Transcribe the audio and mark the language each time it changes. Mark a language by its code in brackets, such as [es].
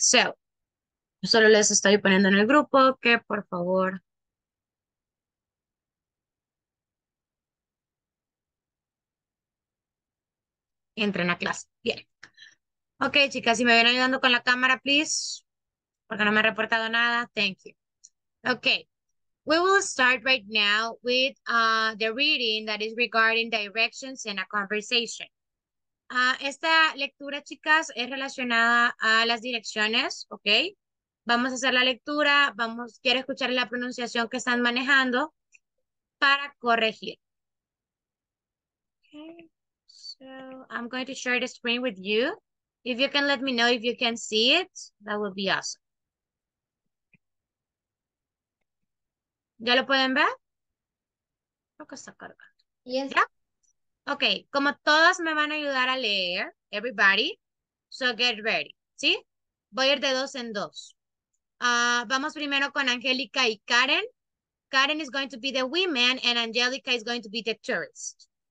[es] So, solo les estoy poniendo en el grupo que por favor. Entren a clase. Bien. Ok, chicas, si me ven ayudando con la cámara, please. Porque no me he reportado nada. [en] Thank you. [es] Ok. [en] We will start right now with the reading that is regarding directions in a conversation. [es] Esta lectura, chicas, es relacionada a las direcciones, ¿ok? Vamos a hacer la lectura, vamos, quiero escuchar la pronunciación que están manejando para corregir. [en] Okay. So, I'm going to share the screen with you. If you can let me know if you can see it, that would be awesome. [es] ¿Ya lo pueden ver? Creo que está cargando. [en] Yes. [es] ¿Ya? Ok, como todas me van a ayudar a leer, [en] everybody, so get ready, [es] ¿sí? Voy a ir de dos en dos. Vamos primero con Angélica y Karen. [en] Karen is going to be the woman and Angélica is going to be the tourist.